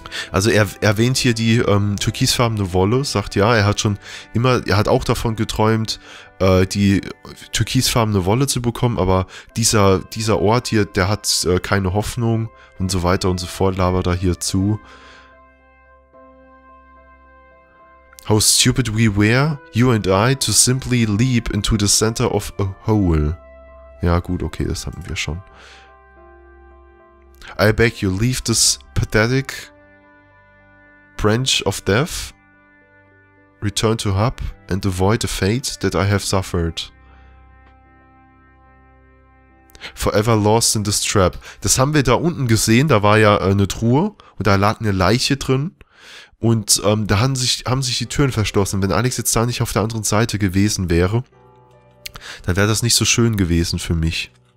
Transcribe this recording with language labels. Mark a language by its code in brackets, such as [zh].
[de] Also er erwähnt hier die türkisfarbene Wolle, sagt ja, er hat auch davon geträumt, die türkisfarbene Wolle zu bekommen, aber dieser Ort hier, der hat keine Hoffnung und so weiter und so fort, labert er hier zu. [en] How stupid we were, you and I, to simply leap into the center of a hole. [de] Ja gut, okay, das hatten wir schon. [en] I beg you, leave this pathetic... Branch of Death, return to Hub and avoid the fate that I have suffered. Forever lost in this trap. [de] Das haben wir da unten gesehen, da war ja eine Truhe und da lag eine Leiche drin und da haben sich die Türen verschlossen. Wenn Alex jetzt da nicht auf der anderen Seite gewesen wäre, dann wäre das nicht so schön gewesen für mich.